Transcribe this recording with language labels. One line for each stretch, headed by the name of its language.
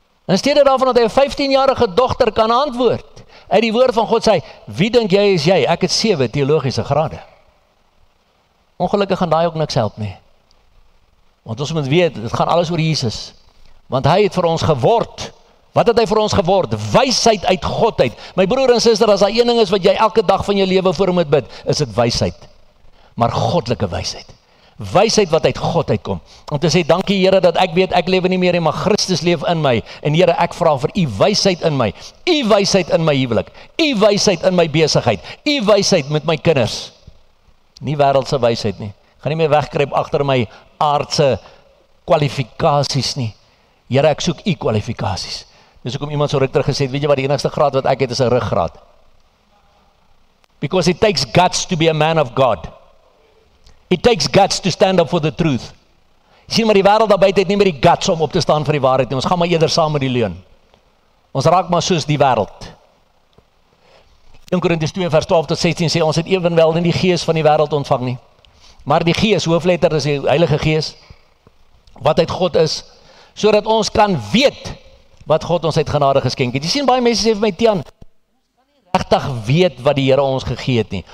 Afrikaans: In steede daarvan dat hy 15-jarige dogter kan antwoord, uit die woord van God sê, wie dink jy is jy? Ek het 7 teologiese grade. Ongelukkig gaan daai ook niks help nie. Want ons moet weet, dit gaan alles oor Jesus. Want hy het vir ons geword. Wat het hy vir ons geword? Wysheid uit God uit. My broer en suster, as daar een ding is wat jy elke dag van jou lewe voor moet bid, is dit wysheid. Maar goddelike wysheid. Wysheid wat uit God uitkom. Om te sê, dankie Here dat ek weet, ek lewe nie meer nie, maar Christus leef in my. En Here, ek vra vir u wysheid in my. U wysheid in my huwelik. U wysheid in my besigheid. U wysheid met my kinders. Nie wêreldse wysheid nie. Ga nie meer wegkruip agter my aardse kwalifikasies nie. Here, ek soek u kwalifikasies. Dis hoekom iemand so ruk terug gesê het, weet jy wat die enigste graad wat ek het is 'n ruggraad.
English: Because it takes guts to be a man of God. It takes guts to stand up for the truth.
Afrikaans: Sien maar die wêreld daar buite het nie meer die guts om op te staan vir die waarheid nie. Ons gaan maar eerder saam met die leuen. Ons raak maar soos die wêreld. 1 Korintiërs 2 vers 12 tot 16 sê ons het evenwel nie die gees van die wêreld ontvang nie. Maar die gees, hoofletter is die Heilige Gees, wat uit God is, sodat ons kan weet wat God ons uit genade geskenk het. Jy sien, baie mense sê vir my, Tian, ons kan nie regtig weet wat die Here ons gegee het nie.